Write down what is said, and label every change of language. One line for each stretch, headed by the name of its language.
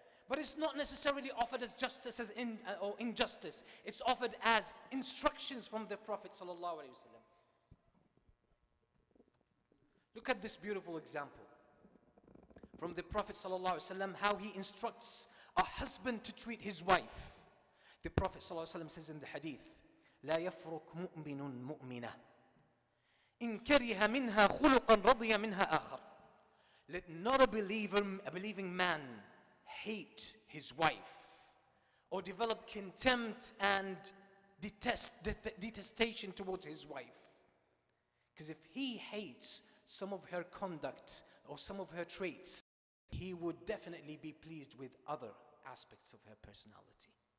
English: But it's not necessarily offered as justice as in, or injustice. It's offered as instructions from the Prophet ﷺ. Look at this beautiful example from the Prophet sallallahu alaihi wasallam, how he instructs a husband to treat his wife. The Prophet sallallahu alaihi wasallam says in the hadith,
Arabic: لا يفرق مؤمن مؤمنة إن كره منها خلقا رضي منها آخر.
English: Let not a believing man hate his wife or develop contempt and detestation towards his wife, because if he hates some of her conduct or some of her traits, he would definitely be pleased with other aspects of her personality.